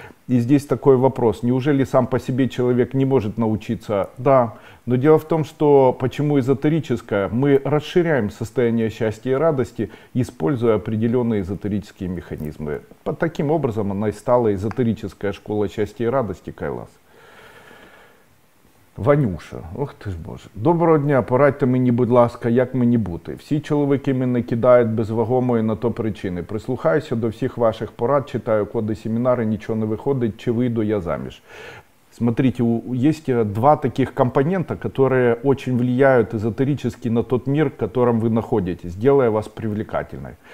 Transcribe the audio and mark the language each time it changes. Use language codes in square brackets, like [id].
[ru] И здесь такой вопрос: неужели сам по себе человек не может научиться? Да, но дело в том, что почему эзотерическое? Мы расширяем состояние счастья и радости, используя определенные эзотерические механизмы. Под таким образом она и стала эзотерическая школа счастья и радости, Кайлас. [uk] Ванюша, ох ти ж боже. Доброго дня, порадьте мені, будь ласка, як мені бути. Всі чоловіки мене кидають без вагомої на то причини. Прислухаюся до всіх ваших порад, читаю коди семінари, нічого не виходить, чи вийду я заміж. [ru] Смотрите, есть два таких компонента, которые очень влияют эзотерически на тот мир, в котором вы находитесь, делая вас привлекательной.